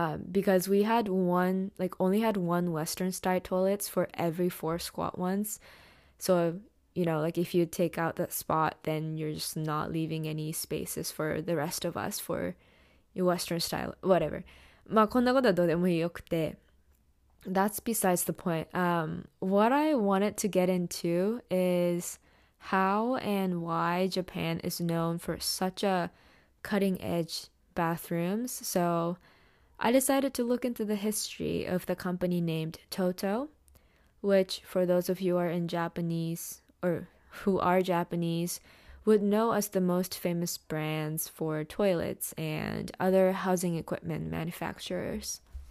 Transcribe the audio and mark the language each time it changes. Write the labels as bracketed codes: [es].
[en] Because we had only had one Western style toilets for every four squat ones. So, you know, like, if you take out that spot, then you're just not leaving any spaces for the rest of us for Western style, whatever. [ja] まあ、こんなことはどうでもよくて。 [en] That's besides the point. What I wanted to get into is how and why Japan is known for such a cutting-edge bathrooms. So I decided to look into the history of the company named Toto, which, for those of you who are in Japanese, or who are Japanese, would know as the most famous brands for toilets and other housing equipment manufacturers.